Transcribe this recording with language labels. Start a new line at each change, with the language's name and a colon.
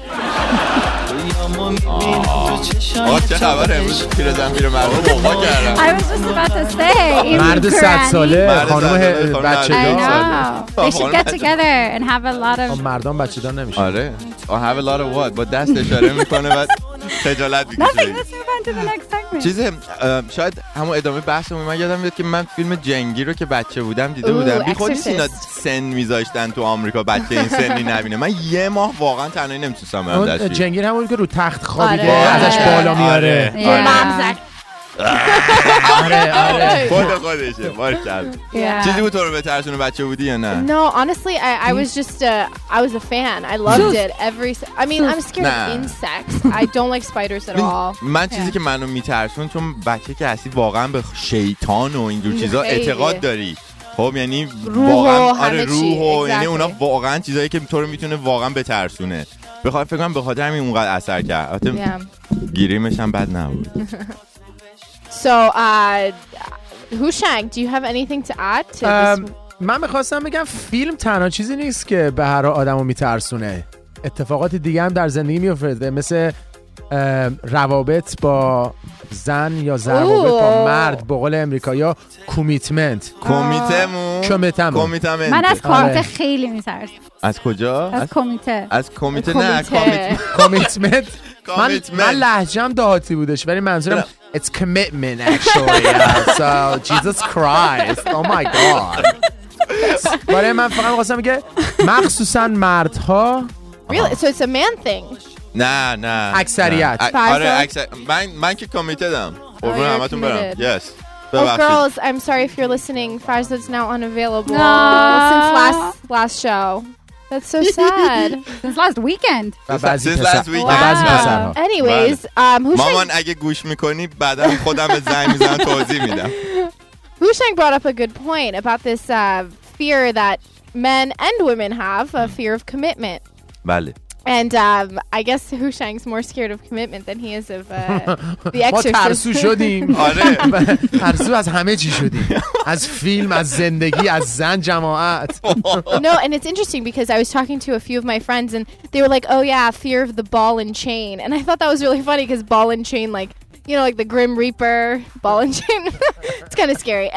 English: I was just about to say, even granny. I know. They should get together and have a lot of...
Persian: مردان بچه دار نمیشه. آره.
English: I have a lot of what?
Persian: با دست اشاره میکنه و خجالت میکشه.
English: Nothing, let's move on to the next segment.
Persian: چیزه, شاید همون ادامه بحثمون, من یادم میاد که من فیلم جنگی رو که بچه بودم دیده بودم. بی خود اینا سن میذاشتن تو آمریکا بچه این سنی نبینه. من یه ماه واقعا تنهایی نمیتونستم برم دستش. جنگی همون که رو تخت خوابیده ازش بالا میاره.
English: Did you ever watch it when you were younger? No, honestly, I was a fan. I loved it. I'm scared of insects. I don't like spiders at all.
Persian: من چیزی که منو میترسون چون بچه که هستی واقعا به شیطان و اینجور چیزا اعتقاد داری. خب یعنی روح واقعا آره روح و یعنی اونا واقعا چیزایی که تو رو میتونه واقعا بترسونه. بخوام فکر کنم به خاطر همین اونقدر اثر کرد. البته گریمش هم بد نبود.
English: So, Hushang, do you have anything to add to this?
Persian: من میخواستم بگم فیلم تنها چیزی نیست که به هر آدمو میترسونه. اتفاقات دیگه هم در زندگی میفته. مثل روابط با زن یا زن روابط با مرد با قول امریکایی ها کومیتمنت. کومیتمون. من از کومیته خیلی میترسم. از کجا؟ از کومیته. نه کومیتمنت. من لهجم دهاتی بودش ولی منظورم
English: it's commitment actually. So Jesus Christ, oh my God.
Persian: برای من فقط میخواستم بگه مخصوصا مردها.
English: Really? So it's a man thing.
Persian: نه اکثریت. آره من که کمیتدم. اوه همتون برام.
English: Yes. Oh girls, I'm sorry if you're listening. Farzad's now unavailable since last show. That's so sad. Since last weekend. Since last weekend. Wow. Anyways, Hushang...
Persian: مامان اگه گوش میکنی بعدا خودم به زنگ میزنم توضیح میدم.
English: Hushang brought up a good point about this fear that men and women have, a fear of commitment.
Persian: بله.
English: And I guess Hushang's more scared of commitment than he is of the exorcist.
Persian: ما ترسو شدیم. آره. ترسو از همه چی شدیم. از فیلم، از زندگی، از زن جماعت.
English: No, and it's interesting because I was talking to a few of my friends and they were like, oh yeah, fear of the ball and chain. And I thought that was really funny because ball and chain, like, you know, like the Grim Reaper, ball and chain. It's kind of scary.